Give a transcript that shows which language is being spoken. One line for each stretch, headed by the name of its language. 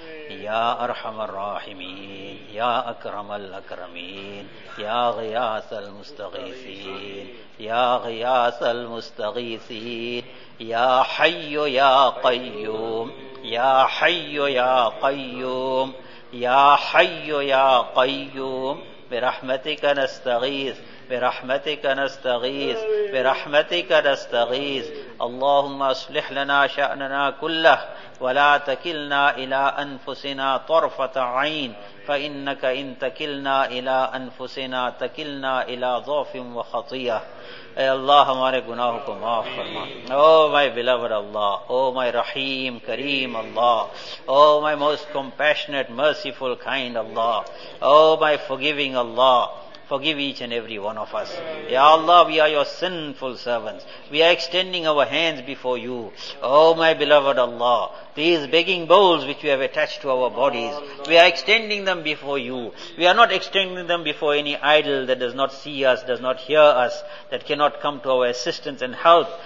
Arabic: يا أرحم الراحمين، يا أكرم الأكرمين، يا غياث المستغيثين، يا غياث المستغيثين، يا حي يا قيوم، يا حي يا قيوم، يا حي يا قيوم، برحمتك نستغيث، برحمتك نستغيث، برحمتك نستغيث. اللهم أصلح لنا شأننا كله ولا تكلنا إلى أنفسنا طرفة عين، فإنك إن تكلنا إلى أنفسنا تكلنا إلى ضعف وخطيئة.
Urdu: اے اللہ ہمارے گناہوں کو معاف فرما.
English: Oh my beloved اللہ، oh my رحیم کریم اللہ، oh my most compassionate merciful kind اللہ، او مائی فورگیونگ اللہ، forgive each and every one of us. Ya Allah, we are your sinful servants. We are extending our hands before you. Oh my beloved Allah, these begging bowls which we have attached to our bodies, we are extending them before you. We are not extending them before any idol that does not see us, does not hear us, that cannot come to our assistance and help.